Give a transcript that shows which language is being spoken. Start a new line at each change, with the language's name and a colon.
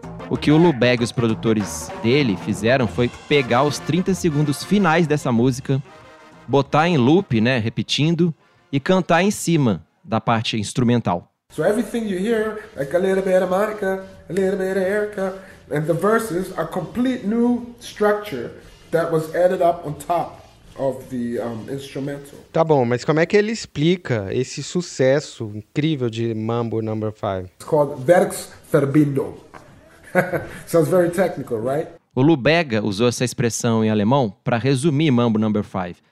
Portuguese: O que o Lou Bega e os produtores dele fizeram foi pegar os 30 segundos finais dessa música, botar em loop, né, repetindo, e cantar em cima da parte instrumental.
English: So everything you hear, like a little bit of Monica, a little bit of Erica, and the verses are complete new structure that was added up on top of the instrumental.
Portuguese: Tá bom, mas como é que ele explica esse sucesso incrível de Mambo Number 5?
English: It's called Verks Verbindung. Sounds very technical, right?
Portuguese: O Lou Bega usou essa expressão em alemão para resumir Mambo Number 5.